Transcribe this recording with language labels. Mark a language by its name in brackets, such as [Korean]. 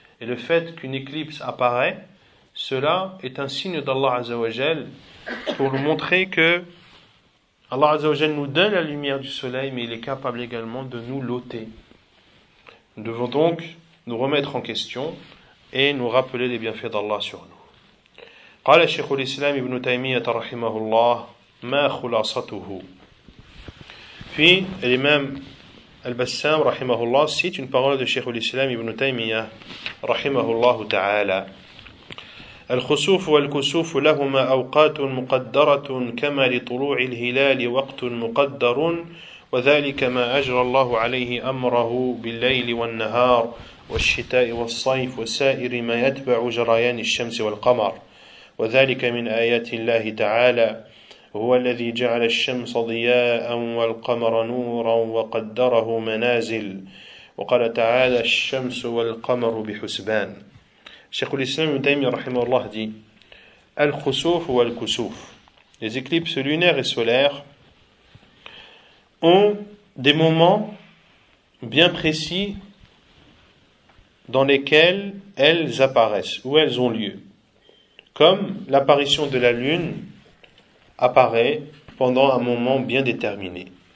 [French] Et le fait qu'une éclipse apparaît, cela est un signe d'Allah Azzawajal pour nous montrer que Allah Azzawajal nous donne la lumière du soleil, mais il est capable également de nous l'ôter. Nous devons donc nous remettre en question et nous rappeler les bienfaits d'Allah sur nous. [Arabic] قال الشيخ الإسلام ابن تيمية رحمه الله ما خلاصته في الإمام البسام رحمه الله [French] cite une parole de [Arabic] الشيخ الإسلام ابن تيمية رحمه الله تعالى الخسوف والكسوف لهما أوقات مقدرة كما لطلوع الهلال وقت مقدر وذلك ما أجرى الله عليه أمره بالليل والنهار والشتاء والصيف وسائر ما يتبع جريان الشمس والقمر وذلك من آيات الله تعالى هو الذي جعل الشمس ضياء والقمر نورا وقدره منازل وقال تعالى الشمس والقمر بحسبان. شيخ الإسلام ابن تيمية رحمه الله دي الخسوف والكسوف. [French] Les éclipses lunaires et solaires ont des moments bien précis dans lesquels elles apparaissent, où elles ont lieu. Comme l'apparition de la lune apparaît pendant un moment bien déterminé.